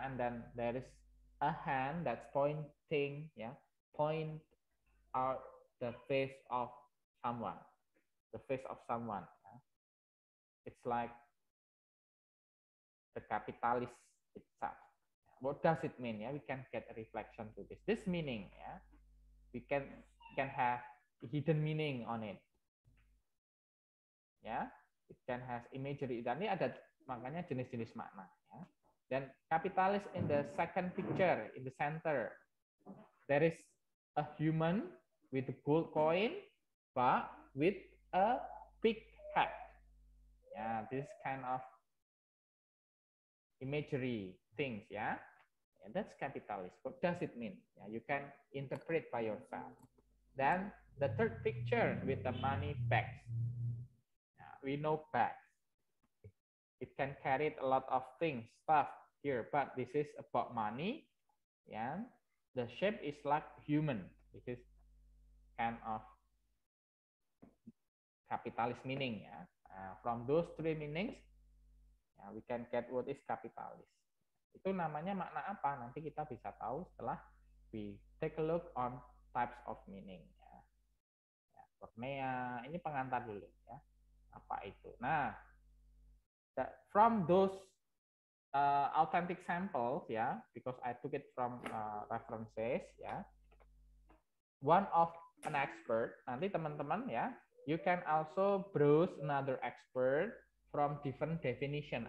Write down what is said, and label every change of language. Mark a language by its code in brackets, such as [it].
[en] And then there is a hand that's pointing, yeah, point out the face of someone. The face of someone. Yeah? It's like the capitalist itself. What does it mean? Yeah, we can get a reflection to this. This meaning, yeah, we can have hidden meaning on it. Ya, yeah, it can has imagery. [id] Dan ini ada makanya jenis-jenis makna. Ya. [en] Dan kapitalis in the second picture, in the center, there is a human with a gold coin, but with a big hat. Ya, yeah, this kind of imagery things. Ya, yeah. And that's kapitalis. What does it mean? Yeah, you can interpret by yourself. Then the third picture with the money bags. We know bags. It can carry a lot of things, stuff here. But this is about money. Yeah, the shape is like human. This is kind of capitalist meaning. Yeah, from those three meanings, yeah, we can get what is capitalist. [id] Itu namanya makna apa? Nanti kita bisa tahu setelah [en] we take a look on types of meaning. [id] Yeah, Cornea, ini pengantar dulu. Yeah. Apa itu? [en] Nah, from those authentic samples, ya, yeah, because I took it from references, ya, yeah, one of an expert. [id] Nanti teman-teman, [en] ya, yeah, you can also browse another expert from different definition.